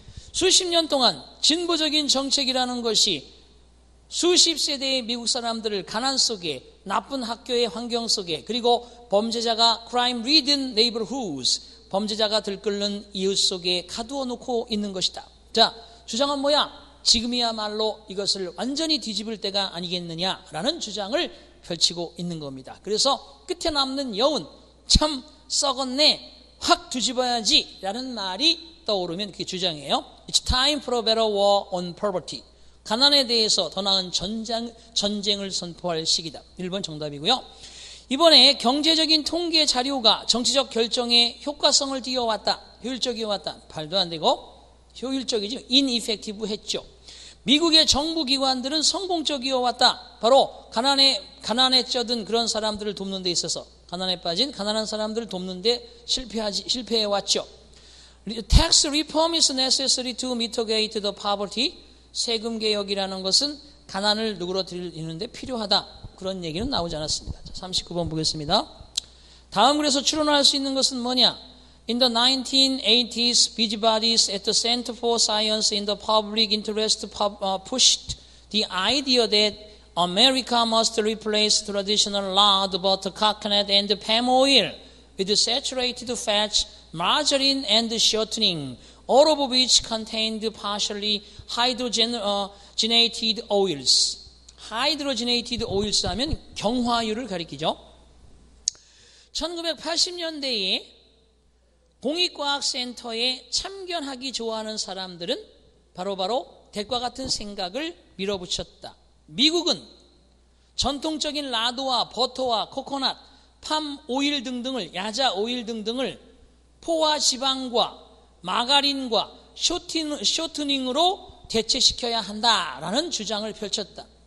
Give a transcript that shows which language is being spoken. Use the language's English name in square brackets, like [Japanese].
[Korean] 수십 년 동안 진보적인 정책이라는 것이 수십 세대의 미국 사람들을 가난 속에 나쁜 학교의 환경 속에 그리고 범죄자가 [English] crime ridden neighborhoods [Korean] 범죄자가 들끓는 이웃 속에 가두어 놓고 있는 것이다. 자, 주장은 뭐야? 지금이야말로 이것을 완전히 뒤집을 때가 아니겠느냐라는 주장을 펼치고 있는 겁니다. 그래서 끝에 남는 여운, 참 썩었네, 확 뒤집어야지 라는 말이 떠오르면 그게 주장이에요. [English] It's time for a better war on poverty. [Korean] 가난에 대해서 더 나은 전쟁을 선포할 시기다. 1번 정답이고요. 이번에 경제적인 통계 자료가 정치적 결정에 효과성을 띄워왔다. 효율적이었다. 말도 안 되고 효율적이지 ineffective 했죠. 미국의 정부 기관들은 성공적이어왔다. 바로 가난에 쩌든 그런 사람들을 돕는 데 있어서 가난에 빠진 가난한 사람들을 돕는 데 실패해왔죠. [English] Tax reform is necessary to mitigate the poverty. [Korean] 세금 개혁이라는 것은 가난을 누그러뜨리는데 필요하다. 그런 얘기는 나오지 않았습니다. 자, 39번 보겠습니다. 다음 그래서 추론할 수 있는 것은 뭐냐? [English] In the 1980s, busybodies at the Center for Science in the public interest pushed the idea that America must replace traditional lard, butter, coconut, and palm oil with saturated fats, margarine, and shortening, all of which contained partially hydrogenated oils. Hydrogenated oils [Korean] 하면 경화유를 가리키죠. 1980년대에 공익과학센터에 참견하기 좋아하는 사람들은 바로 대과 같은 생각을 밀어붙였다. 미국은 전통적인 라드와 버터와 코코넛, 팜 오일 등등을, 야자 오일 등등을 포화 지방과 마가린과 쇼트닝으로 대체시켜야 한다라는 주장을 펼쳤다.